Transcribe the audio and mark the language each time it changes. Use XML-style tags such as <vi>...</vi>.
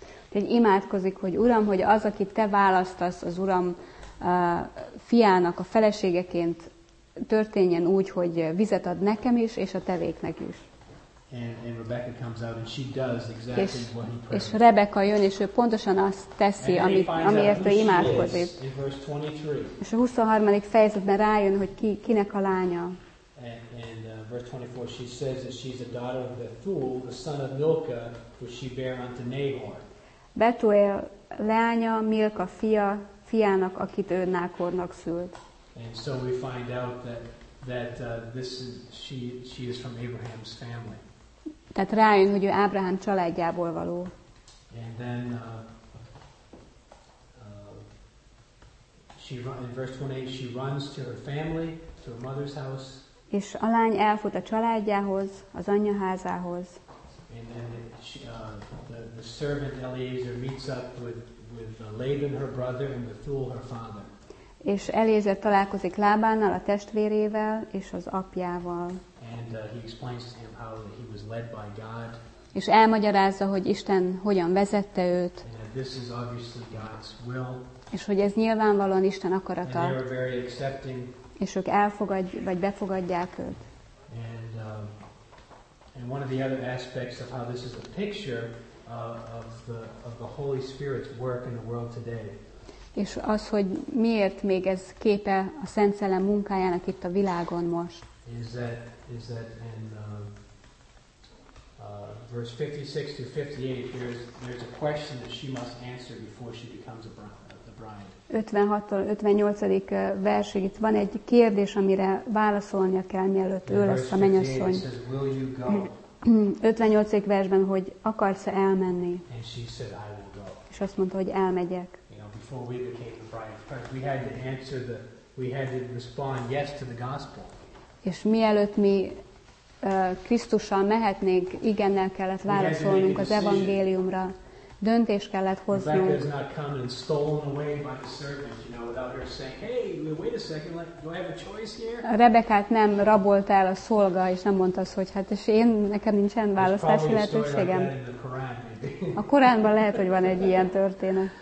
<hu>Tehát imádkozik, hogy Uram, hogy az, akit te választasz az Uram fiának a feleségeként, történjen úgy, hogy vizet ad nekem is és a tevéknek is.</hu> <en>And Rebecca comes out and she does exactly what he prayed.</en> <hu>És Rebecca jön, és ő pontosan azt teszi, amiért ő imádkozik.</hu> <en>In verse 23.</en> <hu>És a 23. fejezetben rájön, hogy kinek a lánya.</hu> <en>And verse 24 she says that she's a daughter of Bethuel, the son of Milcah, which she bare unto Nahor.</en> <hu>Betuel leánya, Milka fiának, akit ő Nákornak szült.</hu> <en>And so we find out that this is she is from Abraham's family.</en> <hu>Tehát rájön, hogy ő Ábrahám családjából való.</hu> <en>And then in verse 28 she runs to her family, to her mother's house.</en> <hu>És a lány elfut a családjához, az anyja házához.</hu> <en>And then the servant Eliezer meets up with Laban her brother and Bethuel her father.</en> <hu>És Eliezer találkozik Lábánnal, a testvérével és az apjával.</hu> <en>And he explains to him how he was led by God.</en> <hu>És elmagyarázza, hogy Isten hogyan vezette őt.</hu> <en>And that this is obviously God's will.</en> <hu>És hogy ez nyilvánvalóan Isten akarata.</hu> <en>And they are very accepting.</en> <hu>És ők befogadják őt.</hu> <en>And one of the other aspects of how this is a picture of the Holy Spirit's work in the world today.</en> <hu>És az, hogy miért még ez képe a Szent Szellem munkájának itt a világon most.</hu> <en>Is that in verse 56-58 there's a question that she must answer before she becomes the bride.</en> <hu>56-tól 58. versig itt van egy kérdés, amire válaszolnia kell, mielőtt ő lesz a mennyasszony. 58. versben, hogy akarsz-e elmenni?</hu> <en>And she said, I will go.</en> <hu>És azt mondta, hogy elmegyek.</hu> <en>Before we became the bride, we had to respond yes to the gospel.</en> <hu>És mielőtt mi Krisztussal mehetnénk, igennel kellett válaszolnunk az evangéliumra. Döntést kellett hoznunk.</hu> <en>Rebecca has not come and stolen away by the servant, you know, without her saying, hey, wait a second, do I have a choice here?</en> <hu>Rebekát nem rabolt el a szolga, és nem mondta azt, hogy hát, és én, nekem nincsen választási lehetőségem. A Koránban lehet, hogy van egy ilyen történet.</hu>